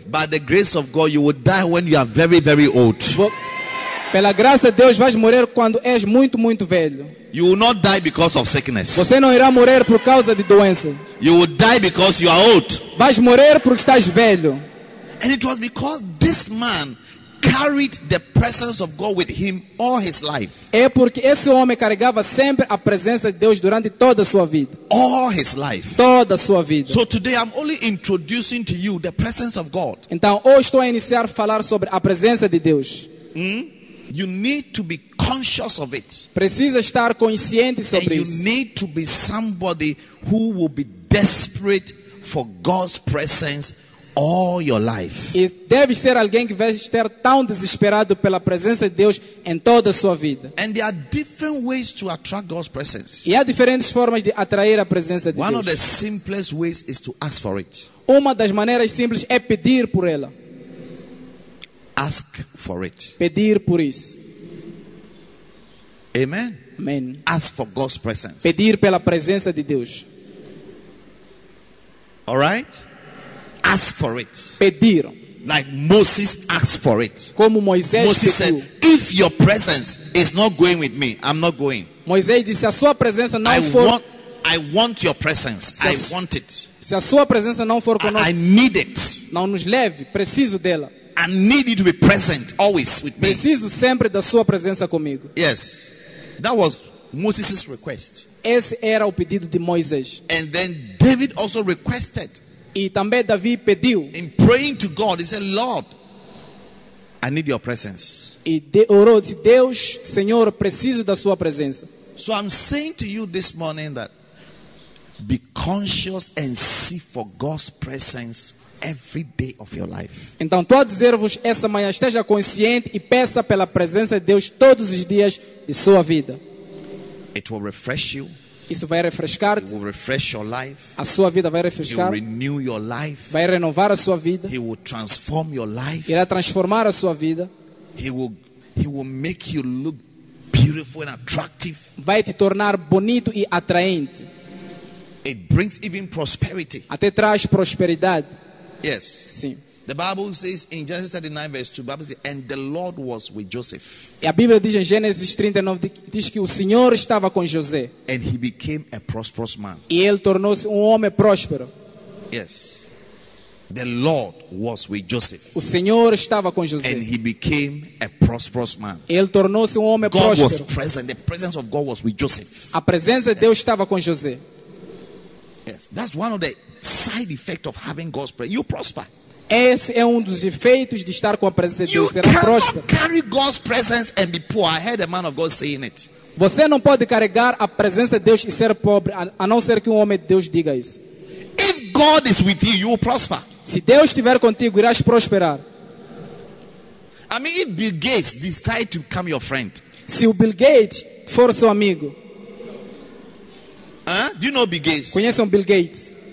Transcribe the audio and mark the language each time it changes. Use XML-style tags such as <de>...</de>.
<en>By the grace of God, you will die when you are very, very old.</en> <pt>Pela graça de Deus, vais morrer quando és muito, muito velho.</pt> <en>You will not die because of sickness.</en> <pt>Você não irá morrer por causa de doença.</pt> <en>You will die because you are old.</en> <pt>Vais morrer porque estás velho.</pt> <en>And it was because this man carried the presence of God with him all his life.</en> <pt>É porque esse homem carregava sempre a presença de Deus durante toda a sua vida.</pt> <en>All his life.</en> <pt>Toda a sua vida.</pt> <en>So today I'm only introducing to you the presence of God.</en> <pt>Então hoje estou a iniciar a falar sobre a presença de Deus.</pt> <en>You need to be conscious of it.</en> <pt>Precisa estar consciente sobre isso.</pt> <en>You need to be somebody who will be desperate for God's presence all your life.</en> <pt>E deve ser alguém que vai estar tão desesperado pela presença de Deus em toda a sua vida.</pt> <en>And there are different ways to attract God's presence.</en> <pt>E há diferentes formas de atrair a presença de Deus.</pt> <en>One of the simplest ways is to ask for it.</en> <pt>Uma das maneiras simples é pedir por ela.</pt> <en>Ask for it.</en> <pt>Pedir por isso. Amen. Amen.</pt> <en>Ask for God's presence.</en> <pt>Pedir pela presença de Deus.</pt> <en>All right? Ask for it.</en> <pt>Pedir.</pt> <en>Like Moses asked for it.</en> <pt>Como Moisés</pt> <en>Moses</en> <pt>pediu.</pt> <en>Said, if your presence is not going with me, I'm not going.</en> <pt>Moisés disse, a sua presença não</pt> <en>I</en> <pt>for...</pt> <en>want, I want your presence. I want it.</en> <pt>Se a sua presença não for conosco,</pt> <en>I need it.</en> <pt>Não nos leve, preciso dela.</pt> <en>I need you to be present always with me.</en> <pt>Preciso sempre da sua presença comigo.</pt> <en>Yes. That was Moses' request.</en> <pt>Esse era o pedido de Moisés.</pt> <en>And then David also requested.</en> <pt>E também Davi pediu.</pt> <en>In praying to God, he said, Lord, I need your presence.</en> <pt>E de, orou, disse, Deus, Senhor, preciso da sua presença.</pt> <en>So I'm saying to you this morning that be conscious and seek for God's presence every day of your life.</en> <pt>Então, estou a dizer-vos essa manhã, esteja consciente e peça pela presença de Deus todos os dias de sua vida.</pt> <en>It will refresh you.</en> <pt>Isso vai refrescar-te.</pt> <en>It will refresh your life.</en> <pt>A sua vida vai refrescar.</pt> <en>It will renew your life.</en> <pt>Vai renovar a sua vida.</pt> <en>It will transform your life.</en> <pt>Irá transformar a sua vida.</pt> <en>He will make you look beautiful and attractive.</en> <pt>Vai te tornar bonito e atraente.</pt> <en>It brings even prosperity.</en> <pt>Até traz prosperidade.</pt> <en>Yes.</en> <pt>Sim.</pt> <en>The Bible says in Genesis 39 verse 2, Bible says, and the Lord was with Joseph.</en> <pt>E a Bíblia diz em Gênesis 39 diz que o Senhor estava com José.</pt> <en>And he became a prosperous man.</en> <pt>E ele tornou-se homem próspero.</pt> <en>Yes. The Lord was with Joseph.</en> <pt>O Senhor estava com José.</pt> <en>And he became a prosperous man.</en> <pt>Ele tornou-se homem</pt> <en>God</en> <pt>próspero.</pt> <en>God was present. The presence of God was with Joseph.</en> <pt>A presença de Deus estava com José.</pt> <en>Yes. That's one of the side effect of having God's presence. You prosper.</en> <pt>Esse é um dos efeitos de estar com a presença de Deus. Será próspero.</pt> <en>You carry God's presence and be poor. I heard a man of God saying it.</en> <pt>Você não pode carregar a presença de Deus e ser pobre, a não ser que homem de Deus diga isso.</pt> <en>If God is with you, you will prosper.</en> <pt>Se Deus estiver contigo, irás prosperar.</pt> <en>I mean, if Bill Gates decide to become your friend.</en> <pt>Se o Bill Gates for seu amigo.</pt> <en>Do you know Bill Gates?</en> <pt>Conhece um Bill Gates?</pt>